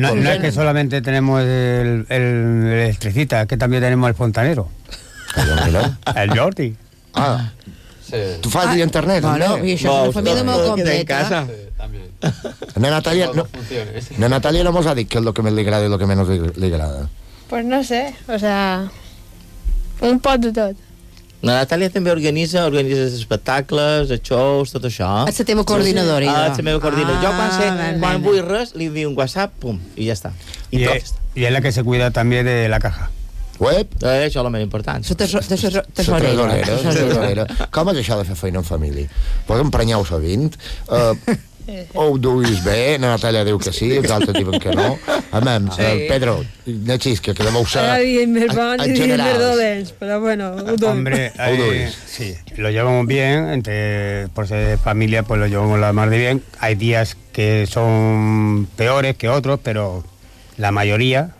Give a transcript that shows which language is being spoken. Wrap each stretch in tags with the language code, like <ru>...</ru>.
<es>No es que solamente tenemos el electricista, que también tenemos el fontanero.</es> <ca>El Jordi. Ah, sí. Tu fas d'internet, no? I això és una família molt completa. En casa. La Natàlia no mos ha dit que és el que més li agrada i el que menys li agrada.</ca> <es>Pues no sé, o sea,</es> <ca>un pot de tot. La Natàlia també organitza els espectacles, els shows, tot això. És la teva coordinadora. Sí, és la meva coordinadora. Jo quan vull res, li envio un WhatsApp, pum, i ja està. I és la que se cuida també de la caja. Web? Això és el més important. Tesorera. Com és això de fer feina en família? Vos emprenyeu sovint? O ho duis bé, Natalia diu que sí, els altres diuen que no. A mi, sí. Pedro, no xis, que demà ho serà. Ara diuen més bons i diuen més dolents, però bueno, ho duis.</ca> <es>Hombre, sí, lo llevamos bien, entre por ser familia, pues lo llevamos la mar de bien. Hay días que son peores que otros, pero la mayoría...</es>